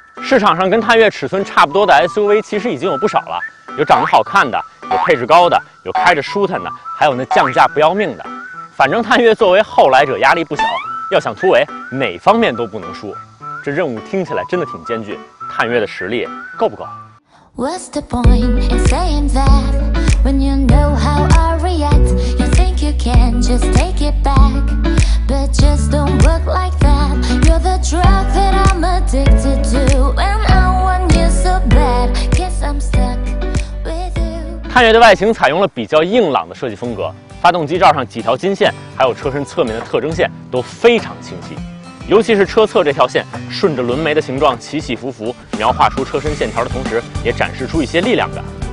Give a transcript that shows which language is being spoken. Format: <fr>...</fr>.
<zh>市场上跟探岳尺寸差不多的 SUV 其实已经有不少了，有长得好看的，有配置高的，有开着舒坦的，还有那降价不要命的。反正探岳作为后来者压力不小，要想突围哪方面都不能输。这任务听起来真的挺艰巨，探岳的实力够不够？</zh> <en>What's the point in saying that when you know how I react? You think you can just take it back, but just don't work like that. You're the drug that I'm addicted to, and I want you so bad. Guess I'm stuck with you.</en> <zh>探岳的外形采用了比较硬朗的设计风格，发动机罩上几条金线，还有车身侧面的特征线都非常清晰。尤其是车侧这条线，顺着轮眉的形状起起伏伏，描画出车身线条的同时，也展示出一些力量感。</zh>